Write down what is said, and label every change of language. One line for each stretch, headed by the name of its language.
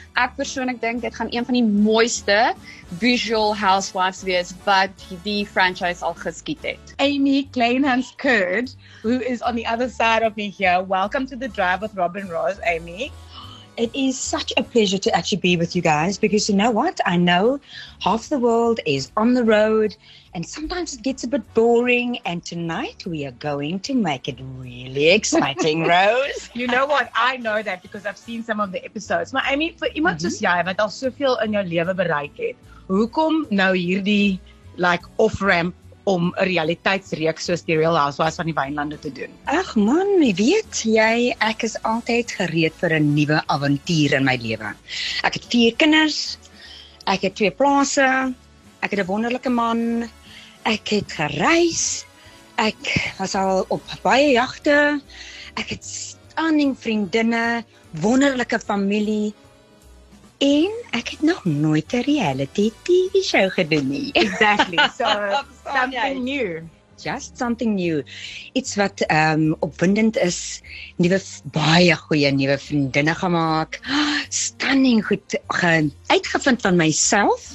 Afrikaans: Ek persoonlik dink dit gaan een van die mooiste visual housewives wees wat die franchise al geskiet het.
English: Amy Kleinhans Kurd, who is on the other side of me here, welcome to the Drive with Robin Ross, Amy. It is such a pleasure to actually be with you guys because you know what? I know half the world is on the road and sometimes it gets a bit boring. And tonight we are going to make it really exciting, Rose. You know what? I know that because I've seen some of the episodes.
Afrikaans: Maar Amy, for iemand soos jy wat al soveel in jou lewe bereik het, hoekom nou hierdie like off-ramp om 'n realiteitsreeks soos die Real Housewives van die Wynlande te doen? Ag man, weet jy, ek is altyd gereed vir 'n nuwe avontuur in my lewe. Ek het 4 kinders, ek het 2 plase, ek het 'n wonderlike man, ek het gereis, ek was al op baie jagte, ek het stunning vriendinne, wonderlike familie, en ek het nog nooit 'n reality TV show gedoen nie.
English: Exactly. So something new. Just something new.
Afrikaans: Iets wat opwindend is. Nuwe baie goeie nuwe vriendinne gemaak. Stunning goed uitgevind van myself.